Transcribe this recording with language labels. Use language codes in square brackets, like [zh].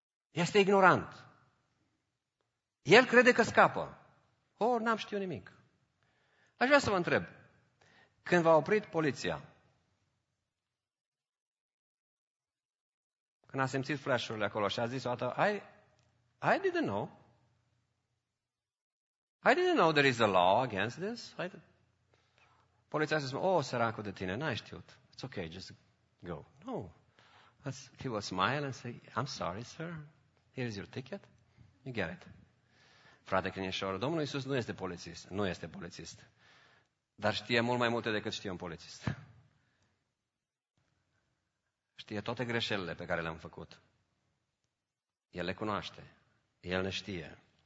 [ro] Este ignorant. El crede că scapă. N-am știut nimic. Aș vrea să vă întreb. Când v-a oprit poliția? Când a simțit flash-urile acolo și a zis o dată, [en] I didn't know. I didn't know there is a law against this. [ro] Poliția a zis, săracul de tine, n-ai știut. [en] It's okay, just go. No. He will smile and say, I'm sorry, sir. Here is your ticket. You get it. [ro] Frate crinișor, Domnul Iisus nu este polițist. Nu este polițist. Dar știe mult mai multe decât știe un polițist. Știe toate greșelile pe care le-am făcut. El le cunoaște. El ne știe.